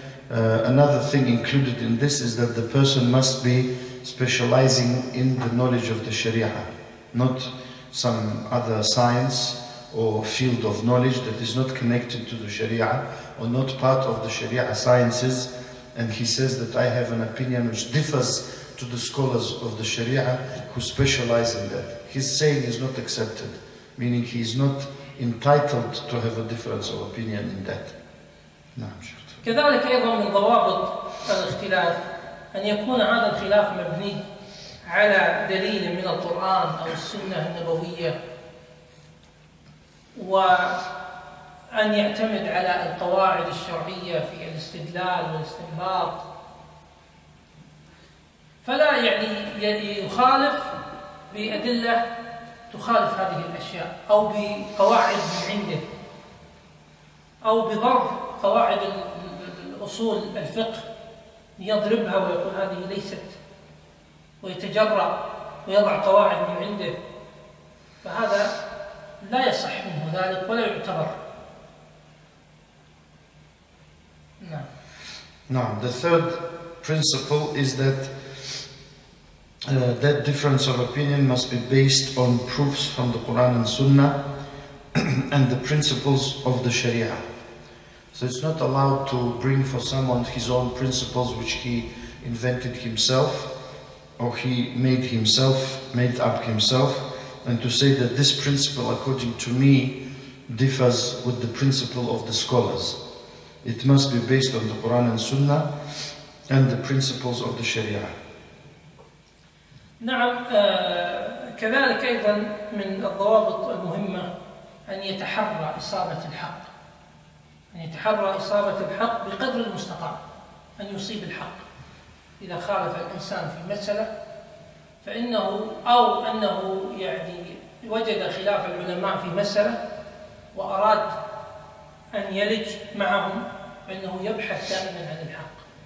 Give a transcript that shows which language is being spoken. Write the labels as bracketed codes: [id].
[en] Another thing included in this is that the person must be specializing in the knowledge of the Sharia, not some other science or field of knowledge that is not connected to the Sharia or not part of the Sharia sciences. And he says that I have an opinion which differs to the scholars of the Sharia who specialize in that. His saying is not accepted. Meaning he is not entitled to have a difference of opinion in that. [ar] كذلك أيضا من ضوابط الاختلاف أن يكون هذا الخلاف مبني على دليل من القرآن أو السنة النبوية، وأن يعتمد على القواعد الشرعية في الاستدلال والاستنباط، فلا يعني يخالف بأدلة تخالف هذه الأشياء أو بقواعد من عنده أو بضرب قواعد الأصول الفقه يضربها ويقول هذه ليست، ويتجرأ ويضع قواعد من عنده، فهذا لا يصح منه ذلك ولا يعتبر. نعم. [en] The third principle is that that difference of opinion must be based on proofs from the Quran and Sunnah and the principles of the Sharia. So it's not allowed to bring for someone his own principles which he invented himself or he made himself, made up himself, and to say that this principle according to me differs with the principle of the scholars. It must be based on the Quran and Sunnah and the principles of the Sharia. [ar] نعم، كذلك أيضا من الضوابط المهمة أن يتحرى إصابة الحق، أن يتحرى إصابة الحق بقدر المستطاع، أن يصيب الحق. إذا خالف الإنسان في مسألة فإنه أو أنه يعني وجد خلاف العلماء في مسألة وأراد أن يلج معهم، فإنه يبحث دائما عن الحق.